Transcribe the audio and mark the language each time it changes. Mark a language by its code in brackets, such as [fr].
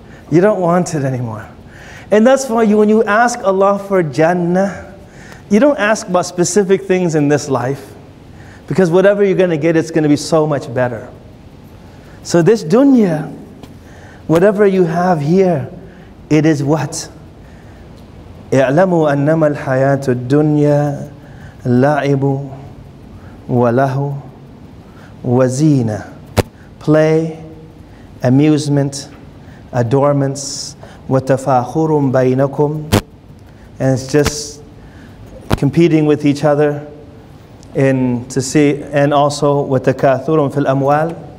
[en] You don't want it anymore. And that's why when you ask Allah for Jannah, you don't ask about specific things in this life, because whatever you're gonna get, it's gonna be so much better. So this dunya, whatever you have here, it is what? [ar] اعلموا أنما الحياة الدنيا لعب وله وزينة. [en] Play, amusement, adornments, [ar] وتفاخر بينكم. [en] And it's just competing with each other and also [ar] وتكاثر في الأموال.